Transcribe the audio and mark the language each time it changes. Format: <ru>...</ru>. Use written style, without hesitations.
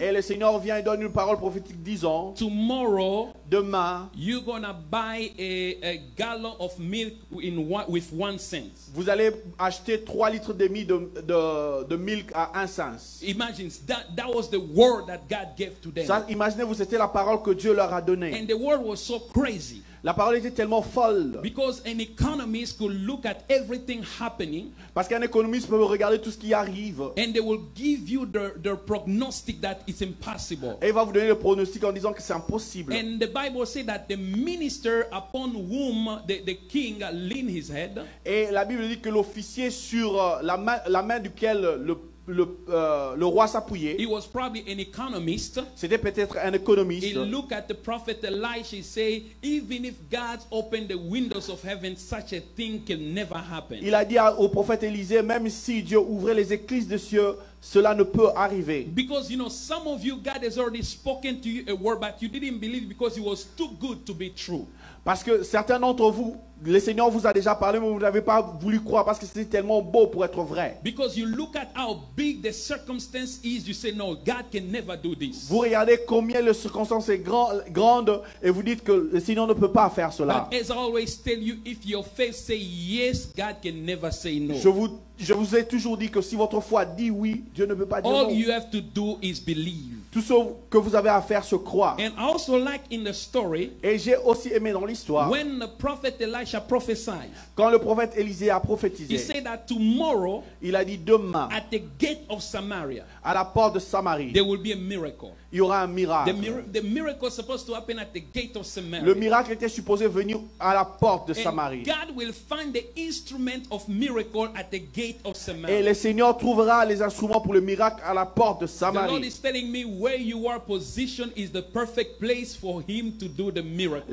<fr>et le Seigneur vient et donne une parole prophétique disant,</fr> <en>tomorrow,</en> <fr>demain,</fr> <en>you're gonna buy a gallon of milk with 1 cent.</en> <fr>Vous allez acheter 3 litres de miel de milk à 1 cent.</fr> <en>Imagine that was the word that God gave to them.</en> <fr>Ça, imaginez-vous, c'était la parole que Dieu leur a donné.</fr> <en>And the word was so crazy.</en> <fr>La parole était tellement folle.</fr> <en>Because an economist could look at everything happening.</en> <fr>Parce qu'un économiste peut regarder tout ce qui arrive.</fr> <en>And they will give you the prognostic that it's impossible.</en> <fr>Et il va vous donner le pronostic en disant que c'est impossible.</fr> <en>And the Bible says that the minister upon whom the king leaned his head.</en> <fr>Et la Bible dit que l'officier sur la main duquel le roi s'appuyait.</fr> <en>He was probably an economist.</en> <fr>C'était peut-être un économiste.</fr> <en>He looked at the prophet Elisha and said, even if God opened the windows of heaven, such a thing can never happen.</en> <fr>Il a dit au prophète Élisée, même si Dieu ouvrait les écluses des cieux, cela ne peut arriver.</fr> <en>Because you know, some of you, God has already spoken to you a word, but you didn't believe because it was too good to be true.</en> <fr>Parce que certains d'entre vous, le Seigneur vous a déjà parlé, mais vous n'avez pas voulu croire parce que c'était tellement beau pour être vrai.</fr> <en>Because you look at how big the circumstance is, you say no, God can never do this.</en> <fr>Vous regardez combien la circonstance est grande et vous dites que le Seigneur ne peut pas faire cela.</fr> <en>But as I always tell you, if your faith say yes, God can never say no.</en> <fr>Je vous ai toujours dit que si votre foi dit oui, Dieu ne peut pas dire</fr> <en>all</en> <fr>non.</fr> <en>All you have to do is believe.</en> <fr>Tout ce que vous avez à faire, se croire.</fr> <en>And also like in the story,</en> <fr>et j'ai aussi aimé dans l'histoire,</fr> <en>when the prophet Elisha prophesied,</en> <fr>quand le prophète Élisée a prophétisé,</fr> <en>he said that tomorrow,</en> <fr>il a dit demain,</fr> <en>at the gate of Samaria,</en> <fr>à la porte de Samarie,</fr> <en>there will be a miracle.</en> <fr>Il y aura un miracle.</fr> <en>The miracle supposed to happen at the gate of Samaria.</en> <fr>Le miracle était supposé venir à la porte de</fr> <en>and</en> <fr>Samarie.</fr> <en>God will find the instrument of miracle at the gate of Samaria.</en> <fr>Et le Seigneur trouvera les instruments pour le miracle à la porte de Samarie.</fr> <en>The Lord is telling me where you are positioned is the perfect place for him to do the miracle.</en>